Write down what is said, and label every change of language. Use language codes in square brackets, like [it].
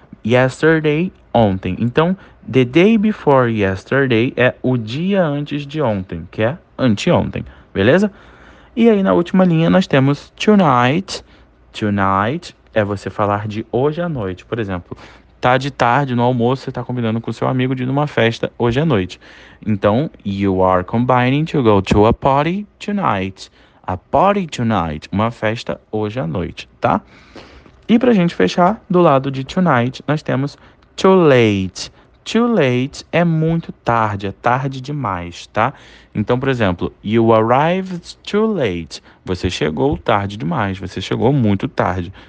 [pt] Yesterday, ontem. Então, [en] the day before yesterday [pt] é o dia antes de ontem, que é anteontem, beleza? E aí, na última linha, nós temos tonight. Tonight é você falar de hoje à noite. Por exemplo, tá de tarde no almoço, você tá combinando com seu amigo de ir numa festa hoje à noite. [en] Então, you are combining to go to a party tonight. A party tonight, [pt] uma festa hoje à noite, tá? E pra gente fechar, do lado de tonight, nós temos too late. Too late é muito tarde, é tarde demais, tá? Então, por exemplo, [en] you arrived too late. [pt] Você chegou tarde demais, você chegou muito tarde.